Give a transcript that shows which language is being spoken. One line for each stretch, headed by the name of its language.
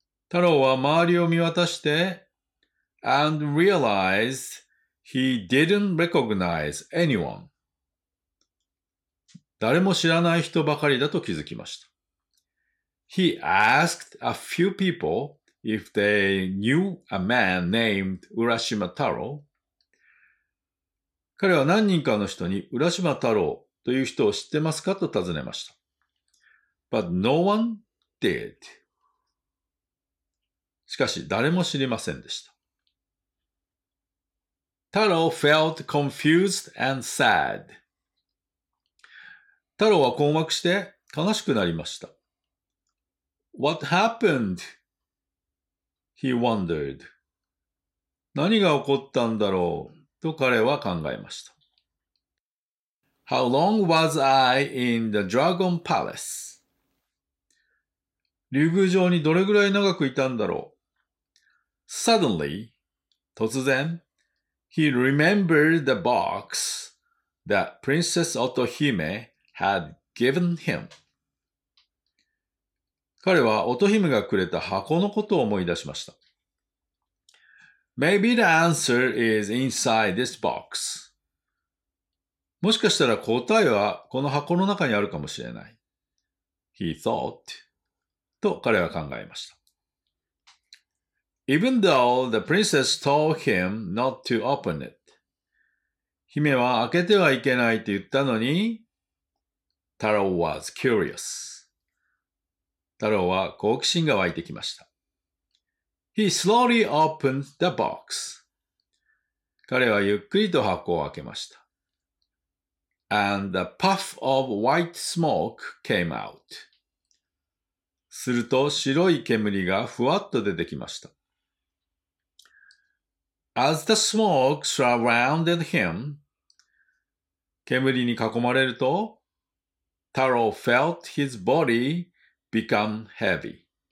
English: Taro
Japanese: は周りを見渡して
English: and realized he didn't recognize anyone.
Japanese: 誰も知らない人ばかりだと気づきました。
English: He asked a few people if they knew a man named Urashima Taro.
Japanese: 彼は何人かの人に浦島太郎という人を知ってますかと尋ねました。
English: But no one did.
Japanese: しかし誰も知りませんでした。
English: Taro felt confused and sad.
Japanese: 太郎は困惑して悲しくなりました。
English: What happened? He wondered.
Japanese: 何が起こったんだろうと彼は考えました。
English: How long was I in the Dragon Palace?
Japanese: 竜宮城にどれぐらい長くいたんだろう?
English: Suddenly,
Japanese: 突然,
English: he remembered the box that Princess Otohime had given him.
Japanese: 彼は乙姫がくれた箱のことを思い出しました。
English: Maybe the answer is inside this box.
Japanese: もしかしたら答えはこの箱の中にあるかもしれない。
English: He thought.
Japanese: と彼は考えました。
English: Even though the princess told him not to open it.
Japanese: 姫は開けてはいけないと言ったのに、
English: Taro was curious.
Japanese: 太郎は好奇心が湧いてきました。
English: He slowly opened the box.
Japanese: 彼はゆっくりと箱を開けました。
English: And a puff of white smoke came out.
Japanese: すると白い煙がふわっと出てきました。
English: As the smoke surrounded him,
Japanese: 煙に囲まれると、
English: Taro felt his body become heavy.